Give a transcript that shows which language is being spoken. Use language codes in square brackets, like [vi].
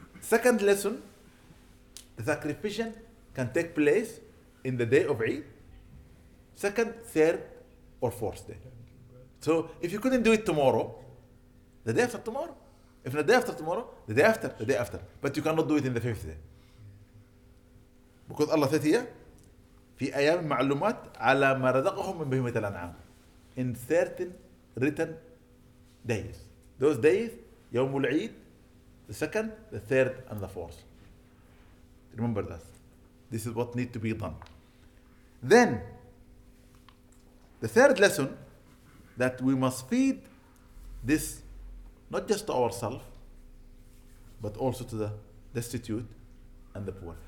[en] Second lesson, the sacrificial can take place in the day of Eid, second, third, or fourth day. So if you couldn't do it tomorrow, the day after tomorrow. If not the day after tomorrow, the day after, the day after. But you cannot do it in the fifth day. Because Allah said here, [ar] في أيام معلومات على ما رزقهم من بهيمة الأنعام. [en] In certain written days. Those days, [ar] يوم العيد, [en] the second, the third, and the fourth. Remember that. This is what needs to be done. Then, the third lesson, that we must feed this, not just to ourselves, but also to the destitute and the poor.